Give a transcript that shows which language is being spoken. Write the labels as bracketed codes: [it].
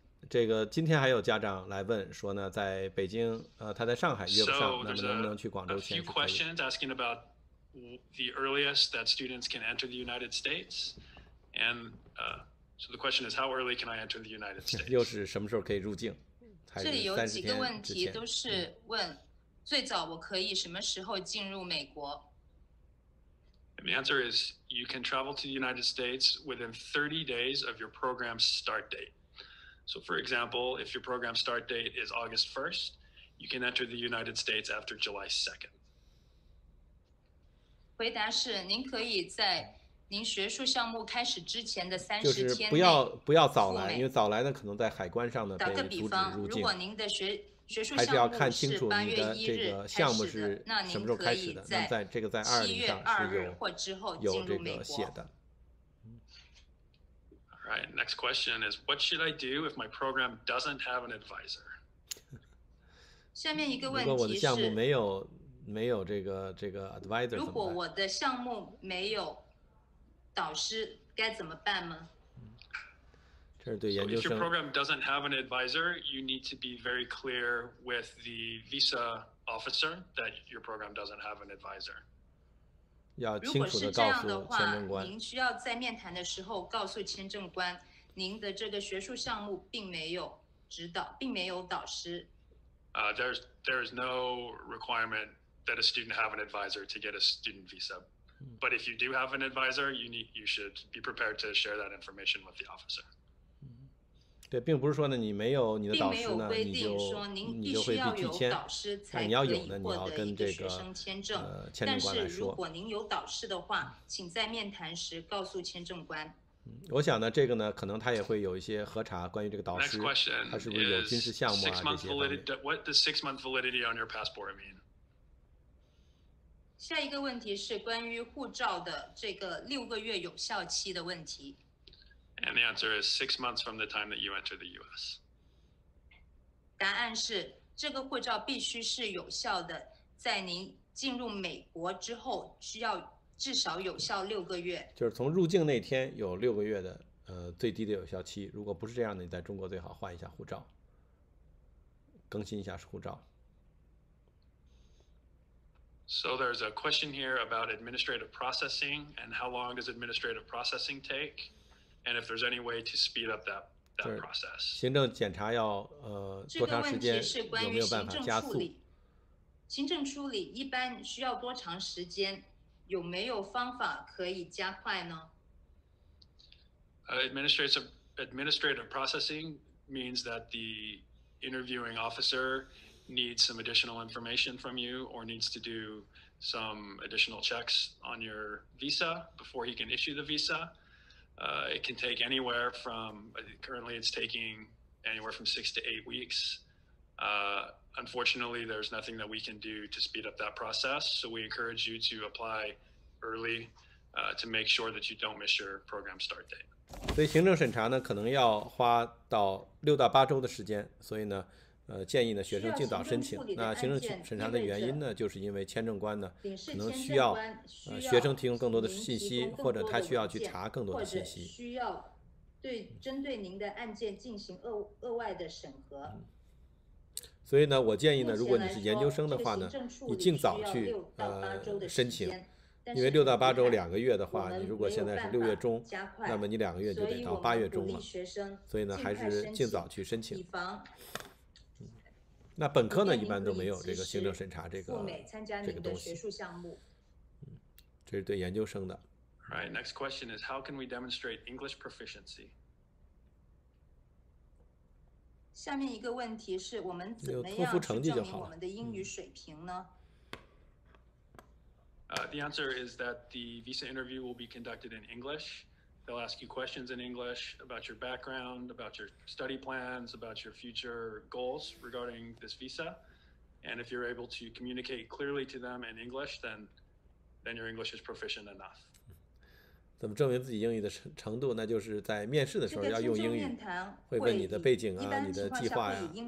[zh] 这个今天还有家长来问说呢，在北京，他在上海约不上，那么能不能去广州签？ [en] A few questions asking about the earliest that students can enter the United States, and so the question is, how early can I enter the United States? [zh] 又是什么时候可以入境？这里有几个问题都是问，最早我可以什么时候进入美国？ [en] And the answer is, you can travel to the United States within 30 days of your program start date. So, for example, if your program start date is August 1st, you can enter the United States after July 2nd. [zh] 回答是，您可以在您学术项目开始之前的30天内，就是不要早来，因为早来呢可能在海关上呢被阻止入境。打个比方，如果您的学术项目是8月1日开始的，还是要看清楚你的这个项目是什么时候开始的。那您可以在7月2日或之后进入美国。有这个写的。 [en] Right. Next question is, what should I do if my program doesn't have an advisor? [zh] 下面一个问题是，如果我的项目没有这个 advisor，如果我的项目没有导师，该怎么办吗？这是对研究生。 [en] So if your program doesn't have an advisor, you need to be very clear with the visa officer that your program doesn't have an advisor. [zh] 要清楚地告诉签证官。如果是这样的话，您需要在面谈的时候告诉签证官，您的这个学术项目并没有指导，并没有导师。 [en] There is no requirement that a student have an advisor to get a student visa. But if you do have an advisor, you should be prepared to share that information with the officer. [zh] 对，并不是说呢，你没有你的导师呢，你就会被拒签。但你要有呢，你要跟这个签证官来说。但是如果您有导师的话，请在面谈时告诉签证官。我想呢，这个呢，可能他也会有一些核查关于这个导师，他是不是有军事项目啊这些方面。 [en] What does 6 month validity on your passport mean? [zh] 下一个问题是关于护照的这个6个月有效期的问题。 [en] And the answer is 6 months from the time that you enter the U.S. [zh] 答案是这个护照必须是有效的，在您进入美国之后需要。至少有效6个月，就是从入境那天有6个月的最低的有效期。如果不是这样的，你在中国最好换一下护照，更新一下护照。 [en] So there's a question here about administrative processing and how long does administrative processing take, and if there's any way to speed up that process. [zh] 行政检查要多长时间？有没有办法加速？行政处理一般需要多长时间？有没有方法可以加快呢？ [en] Administrative processing means that the interviewing officer needs some additional information from you or needs to do some additional checks on your visa before he can issue the visa. It can take anywhere from, currently it's taking anywhere from 6 to 8 weeks. Unfortunately, there's nothing that we can do to speed up that process. So we encourage you to apply early, to make sure that you don't miss your program start date. [zh] 所以行政审查呢，可能要花到6到8周的时间。所以呢，建议呢学生尽早申请。那行政审查的原因呢，就是因为签证官呢，可能需要学生提供更多的信息，或者他需要去查更多的信息，或者需要对针对您的案件进行额外的审核。所以呢，我建议呢，如果你是研究生的话呢，你尽早去申请，因为6到8周2个月的话，你如果现在是6月中，那么你2个月就得到8月中了。所以呢，还是尽早去申请。那本科呢，一般都没有这个行政审查这个东西。这是对研究生的。 [en] Right. Next question is how can we demonstrate English proficiency? [zh] 下面一个问题是我们怎么样去证明我们的英语水平呢？ [en] The answer is that the visa interview will be conducted in English. They'll ask you questions in English about your background, about your study plans, about your future goals regarding this visa. And if you're able to communicate clearly to them in English, then your English is proficient enough. [zh] 怎么证明自己英语的程度？那就是在面试的时候要用英语，会问你的背景啊，你的计划呀、啊。